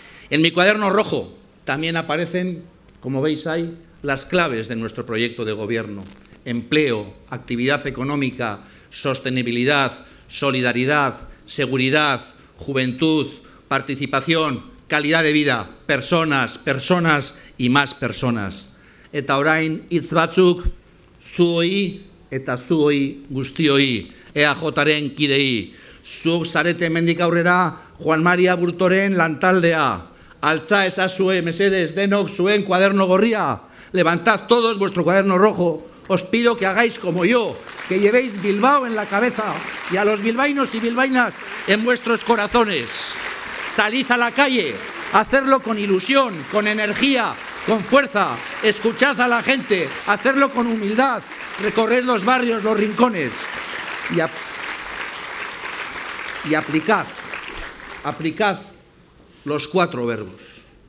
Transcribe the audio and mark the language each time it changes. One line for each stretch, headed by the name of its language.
Spanish: En mi cuaderno rojo también aparecen, como veis ahí, las claves de nuestro proyecto de gobierno: empleo, actividad económica, sostenibilidad, solidaridad, seguridad, juventud, participación, calidad de vida, personas, personas y más personas.
Basque: Eta orain hitz batzuk zuoi eta zuoi guztioi, EAJ-ren kidei. Zuk zarete hemendik aurrera Juan Mari Aburtoren lantaldea. Altza ezazue, mesedez, denok zuen kuaderno gorria.
Spanish: Levantad todos vuestro cuaderno rojo. Os pido que hagáis como yo, que llevéis Bilbao en la cabeza y a los bilbainos y bilbainas en vuestros corazones. Salid a la calle, hacerlo con ilusión, con energía, con fuerza. Escuchad a la gente, hacerlo con humildad. Recorred los barrios, los rincones y aplicad los cuatro verbos.